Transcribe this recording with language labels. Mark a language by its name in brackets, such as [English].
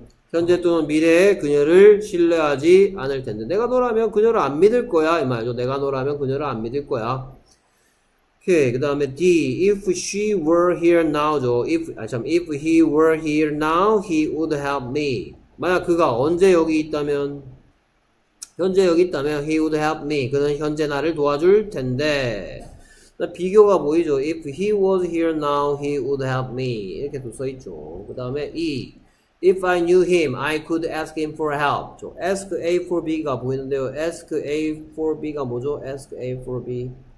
[Korean] 현재 또는 미래에 그녀를 신뢰하지 않을 텐데. 내가 너라면 그녀를 안 믿을 거야. 이 말이죠. 내가 너라면 그녀를 안 믿을 거야. 오케이, 그 다음에 D. [English] If she were here now [Korean] 죠. [English] If he were here now, he would help me. [Korean] 만약 그가 언제 여기 있다면, 현재 여기 있다면, [English] he would help me. [Korean] 그는 현재 나를 도와줄 텐데. 나 비교가 보이죠. [English] If he was here now, he would help me. [Korean] 이렇게 또 써있죠. 그 다음에 E. [English] If I knew him, I could ask him for help. Ask A for B가 보이는데요. Ask A for B가 뭐죠? Ask A for B.